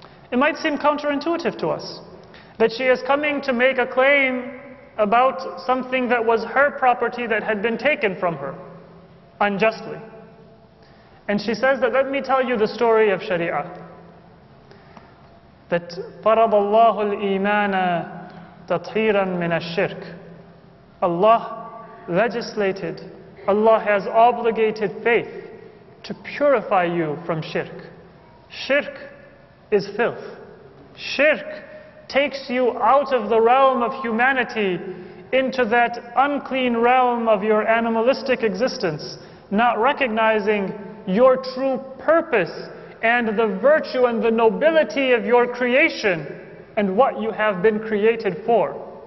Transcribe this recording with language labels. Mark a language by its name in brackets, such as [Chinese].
[English] It might seem counterintuitive to us that she is coming to make a claim about something that was her property that had been taken from her unjustly. And she says that, let me tell you the story of Sharia. [Arabic] That فَرَضَ اللَّهُ الْإِيمَانَ تَطْحِيرًا مِنَ الشِّرْكِ. [English] Allah legislated, Allah has obligated faith to purify you from shirk. Shirk is filth. Shirk takes you out of the realm of humanity into that unclean realm of your animalistic existence, not recognizing your true purpose and the virtue and the nobility of your creation and what you have been created for.